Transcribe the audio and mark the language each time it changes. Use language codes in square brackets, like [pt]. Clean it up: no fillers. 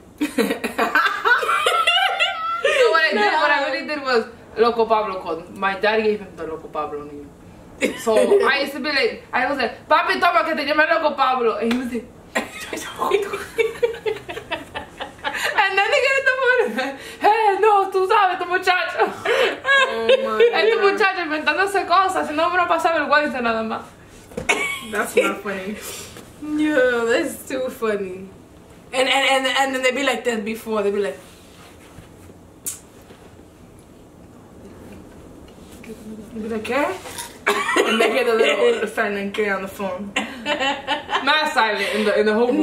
[en] So what I really did was, Loco Pablo called. My dad gave him the Loco Pablo name. So I used to be like, I was like, [es] "Papi, toma que te llame loco Pablo," [en] and he was like, and then he got in the phone, "Hey, [es] no, tú sabes, tu muchacho." [en] Oh my God. [es] Tu muchacho inventándose cosas, si no me lo pasa vergüenza nada más. [en] That's not funny. No, that's too funny. And then they'd be like this before, they'd be like, [es] "¿De qué?" [en] And they hear the little sign K on the phone. Mad silent in the whole room.